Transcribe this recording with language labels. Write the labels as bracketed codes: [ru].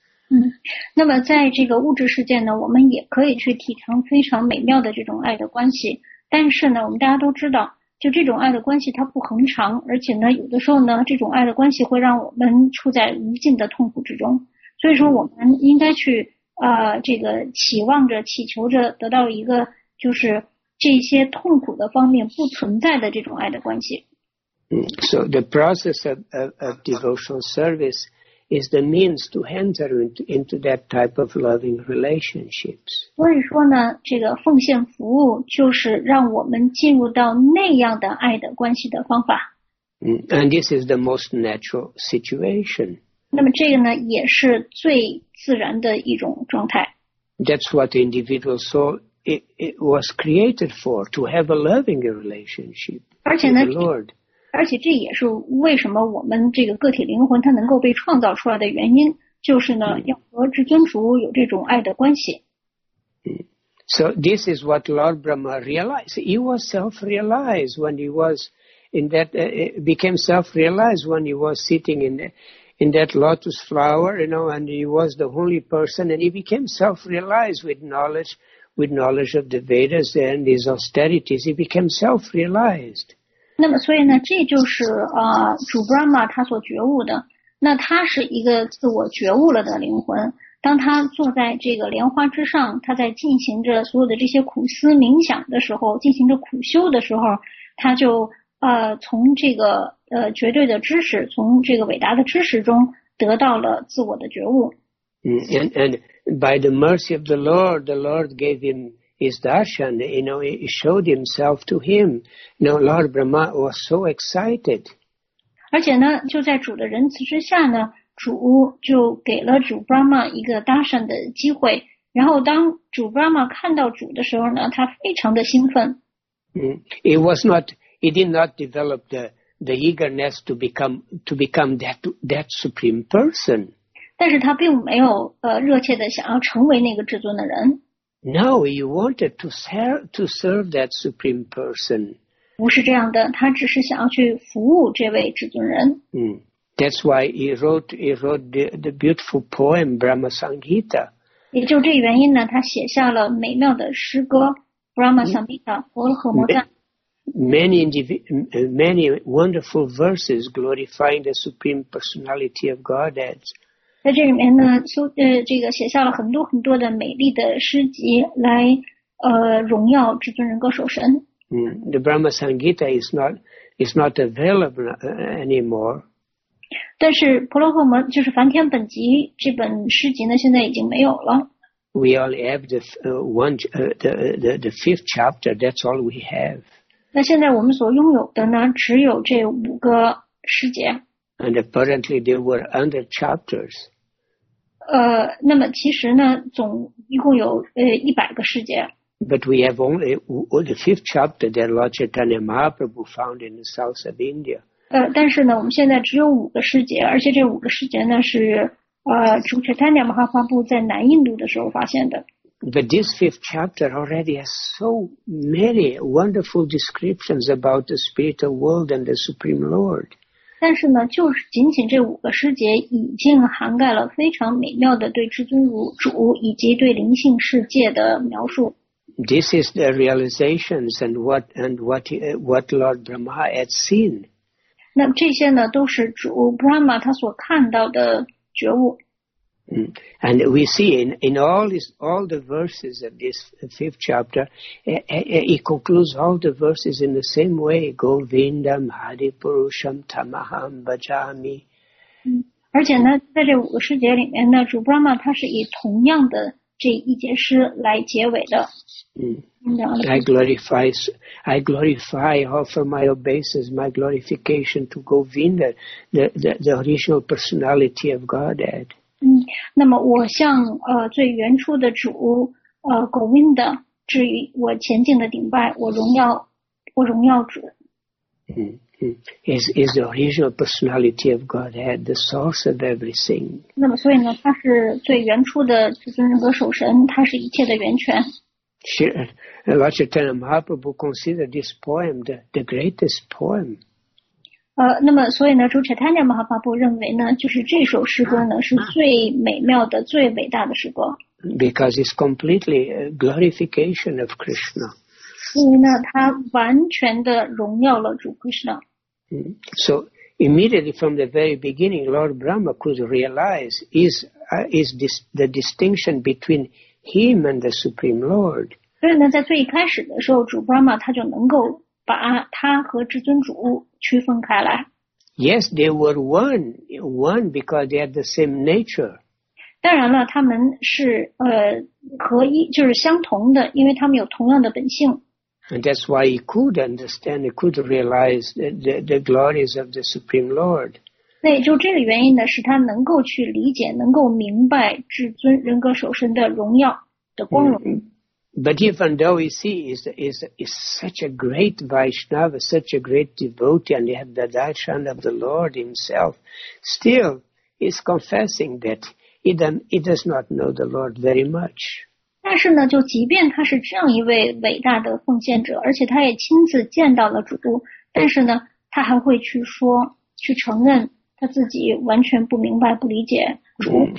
[zh] 嗯，那么在这个物质世界呢，我们也可以去体尝非常美妙的这种爱的关系。但是呢，我们大家都知道，就这种爱的关系它不恒长，而且呢，有的时候呢，这种爱的关系会让我们处在无尽的痛苦之中。所以说，我们应该去这个期望着、祈求着得到一个就是这些痛苦的方面不存在的这种爱的关系。 [en] So the process of devotional service is the means to enter into that type of loving relationships. [zh] 所以说呢，这个奉献服务就是让我们进入到那样的爱的关系的方法。 [en] And this is the most natural situation. [zh] 那么这个呢，也是最自然的一种状态。 [en] That's what the individual soul it was created for, to have a loving relationship with the Lord. [zh] 而且这也是为什么我们这个个体灵魂它能够被创造出来的原因，就是呢，要和至尊主有这种爱的关系。 [en] So this is what Lord Brahma realized. He was self-realized when he was in that, became self-realized when he was sitting in that lotus flower, you know, and he was the holy person, and he became self-realized with knowledge of the Vedas and his austerities, he became self-realized. [zh] 那么所以呢，这就是主 Brahma 他所觉悟的。那他是一个自我觉悟了的灵魂。当他坐在这个莲花之上，他在进行着所有的这些苦思冥想的时候，进行着苦修的时候，他就从这个绝对的知识，从这个伟大的知识中得到了自我的觉悟。 [en] And by the mercy of the Lord gave him his darshan, you know, he showed himself to him. Now, Lord Brahma was so excited. [zh] 而且呢，就在主的仁慈之下呢，主就给了主 Brahma 一个 darshan 的机会。然后当主 Brahma 看到主的时候呢，他非常的兴奋。 [en] He did not develop the eagerness to become that supreme person. [zh] 但是他并没有热切的想要成为那个至尊的人。 [en] No, he wanted to serve that supreme person. [zh] 不是这样的，他只是想要去服务这位至尊人。 [en] That's why he wrote the beautiful poem Brahma Sanghita. [zh] 也就这原因呢，他写下了美妙的诗歌 Brahma Sanghita, 佛诃摩赞。 [en] Many wonderful verses glorifying the supreme personality of Godhead. [zh] 在这里面呢，这个写下了很多很多的美丽的诗集来荣耀至尊人格首身。 [en] The Brahma Sangita is not available anymore. [zh] 但是婆罗诃摩就是梵天本集这本诗集呢，现在已经没有了。 [en] We only have the fifth chapter. That's all we have. [zh] 那现在我们所拥有的呢，只有这五个诗节。 [en] And apparently there were other chapters. [zh] 那么其实呢，总一共有100个诗节。 [en] But we have only the fifth chapter that Lord Chaitanya Mahaprabhu found in the south of India. [zh] 但是呢，我们现在只有五个诗节，而且这五个诗节呢是主 Chaitanya Mahaprabhu 在南印度的时候发现的。 [en] But this fifth chapter already has so many wonderful descriptions about the spiritual world and the Supreme Lord. [zh] 但是呢，就是仅仅这五个诗节已经涵盖了非常美妙的对至尊如主以及对灵性世界的描述。 [en] This is the realizations and what Lord Brahma had seen. [zh] 那这些呢都是主 Brahma 他所看到的觉悟。 [en] And we see in all the verses of this fifth chapter, he concludes all the verses in the same way. [sa] Govindam Hari Purusham Tamaham Bhajami. [zh] 而且呢，在这五个诗节里面呢，主 Brahma 他是以同样的这一节诗来结尾的。 [en] I glorify, offer my obeisances, my glorification to Govinda, the original personality of Godhead. [zh] 那么我向最原初的主Govinda 致以我前进的顶拜，我荣耀主。 [en] Is the original personality of Godhead, the source of everything. [zh] 那么所以呢，他是最原初的至尊人格首身，他是一切的源泉。 [en] Lord Chaitanya Mahaprabhu considered this poem the greatest poem. [zh] 那么所以呢，主 Chaitanya Mahaprabhu 认为呢，就是这首诗歌呢是最美妙的、最伟大的诗歌。 [en] Because it's completely glorification of Krishna. [zh] 因为呢，它完全的荣耀了主 Krishna。 [en] So immediately from the very beginning, Lord Brahma could realize is the distinction between Him and the Supreme Lord. [zh] 所以呢，在最一开始的时候，主 Brahma 他就能够把他和至尊主区分开来。 [en] Yes, they were one because they had the same nature. [zh] 当然了，他们是合一，就是相同的，因为他们有同样的本性。 [en] And that's why he could understand, he could realize the glories of the Supreme Lord. [zh] 那就这个原因呢，使他能够去理解，能够明白至尊人格首身的荣耀的光荣。 [en] But even though he sees is such a great Vaishnava, such a great devotee, and he had the darshan of the Lord himself, still he's confessing that he does not know the Lord very much. [zh] 但是呢，就即便他是这样一位伟大的奉献者，而且他也亲自见到了主，但是呢，他还会去说，去承认他自己完全不明白、不理解主。